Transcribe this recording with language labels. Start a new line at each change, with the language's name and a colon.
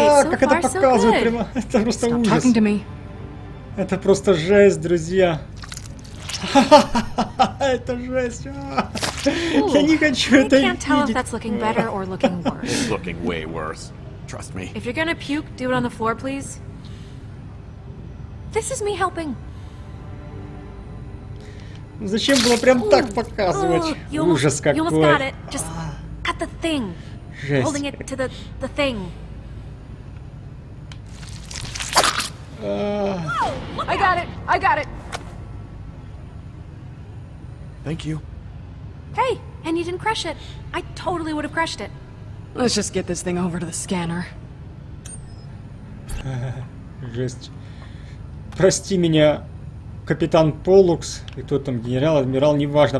Russian: Как это показывает прямо? Это просто ужас. Это просто жесть, друзья. Это жесть. Я не хочу это видеть.
English: I can't tell if that's looking better or looking worse. It's looking way worse. Trust me. If you're gonna puke, do it on the floor, please. This is me helping.
Russian: Зачем было прям так показывать? Ужас какой.
English: You almost got it. Just cut the thing.
Russian: Жесть.
English: Holding it to the thing. I got it! I got it! Thank you. Hey, and you didn't crush it. I totally would have crushed it. Let's just get this thing over to the scanner.
Russian: Жесть. Прости меня, капитан Полукс. И кто там, генерал, адмирал, неважно.